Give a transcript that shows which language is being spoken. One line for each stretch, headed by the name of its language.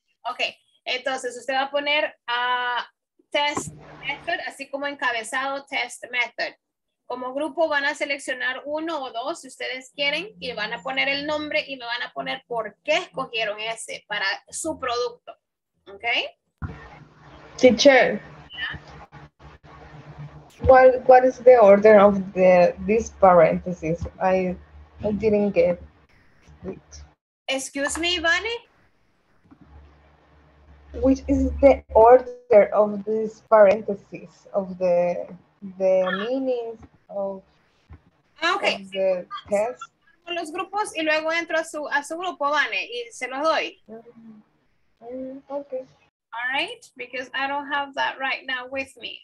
Spanish: Okay, entonces usted va a poner a test method, así como encabezado test method. Como grupo van a seleccionar uno o dos si ustedes quieren y van a poner el nombre y me van a poner por qué escogieron ese para su producto. ¿Ok?
English: Teacher. What is the order of the this parenthesis? I didn't get it. Excuse me, Ivane? Which is the order of this parenthesis of the meanings? Okay.
Spanish: Test. Los grupos y luego entro a su grupo, Vane, y se los doy. Okay.
English: All right, because I don't have that right now with me.